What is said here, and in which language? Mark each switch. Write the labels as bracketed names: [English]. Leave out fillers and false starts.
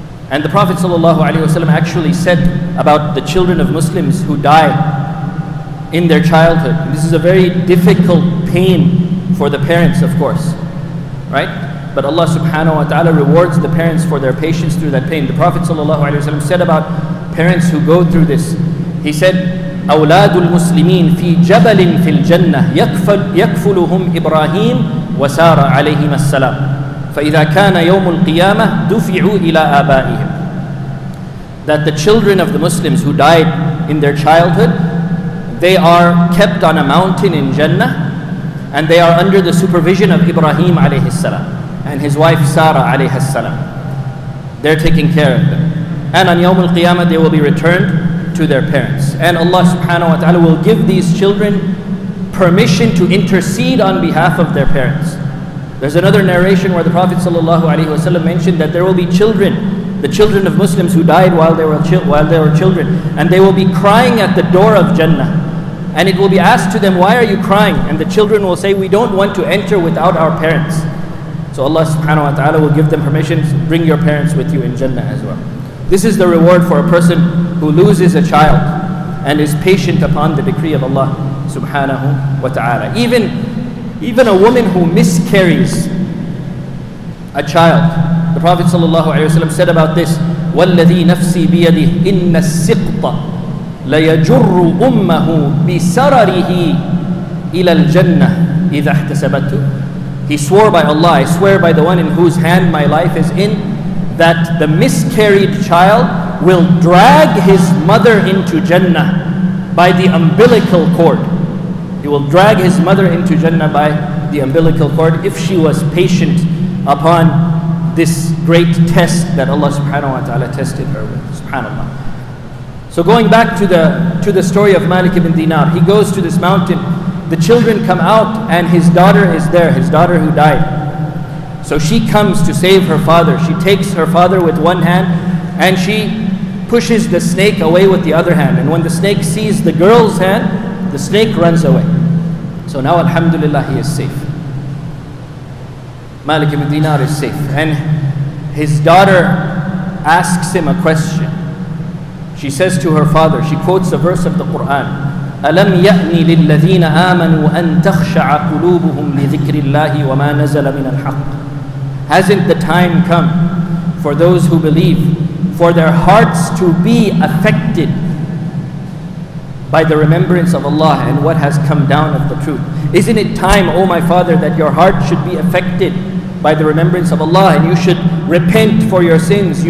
[English] And the Prophet ﷺ actually said about the children of Muslims who die in their childhood. This is a very difficult pain for the parents, of course, right? But Allah subhanahu wa ta'ala rewards the parents for their patience through that pain. The Prophet ﷺ said about parents who go through this, he said, [Arabic] أَوْلَادُ الْمُسْلِمِينَ فِي جَبَلٍ فِي الْجَنَّةِ يَكْفُلُهُمْ إِبْرَاهِيمُ وَسَارَ عَلَيْهِمَ السَّلَامُ فَإِذَا كَانَ يَوْمُ الْقِيَامَةِ دُفِعُوا إِلَىٰ آبَائِهِمْ. [English] That the children of the Muslims who died in their childhood, they are kept on a mountain in Jannah, and they are under the supervision of Ibrahim alayhi salam and his wife Sarah alayhi salam. They're taking care of them. And on Yawm al-Qiyamah, they will be returned to their parents. And Allah subhanahu wa ta'ala will give these children permission to intercede on behalf of their parents. There's another narration where the Prophet sallallahu alaihi wasallam mentioned that there will be children, the children of Muslims who died while they were children, and they will be crying at the door of Jannah. And it will be asked to them, why are you crying? And the children will say, we don't want to enter without our parents. So Allah subhanahu wa ta'ala will give them permission, bring your parents with you in Jannah as well. This is the reward for a person who loses a child and is patient upon the decree of Allah subhanahu wa ta'ala. Even a woman who miscarries a child. The Prophet sallallahu alaihi wasallam said about this, [Arabic] وَالَّذِي نَفْسِي بِيَدِهِ إِنَّ السِّقْطَ لَيَجُرُّ أُمَّهُ بِسَرَرِهِ إِلَى الْجَنَّةِ إِذَا احْتَسَبَتُهُ. [English] He swore by Allah, I swear by the one in whose hand my life is in, that the miscarried child will drag his mother into Jannah by the umbilical cord. He will drag his mother into Jannah by the umbilical cord if she was patient upon this great test that Allah subhanahu wa ta'ala tested her with. Subhanallah. So going back to the story of Malik ibn Dinar, he goes to this mountain, the children come out, and his daughter is there, his daughter who died. So she comes to save her father. She takes her father with one hand and she pushes the snake away with the other hand. And when the snake sees the girl's hand, the snake runs away. So now alhamdulillah, he is safe. Malik ibn Dinar is safe. And his daughter asks him a question. She says to her father, she quotes a verse of the Quran, [Arabic] أَلَمْ يَأْنِ لِلَّذِينَ آمَنُوا أَن تَخْشَعَ قُلُوبُهُمْ لِذِكْرِ اللَّهِ وَمَا نَزَلَ مِنَ الْحَقِّ. [English] Hasn't the time come for those who believe for their hearts to be affected by the remembrance of Allah and what has come down of the truth? Isn't it time, O my father, that your heart should be affected by the remembrance of Allah and you should repent for your sins?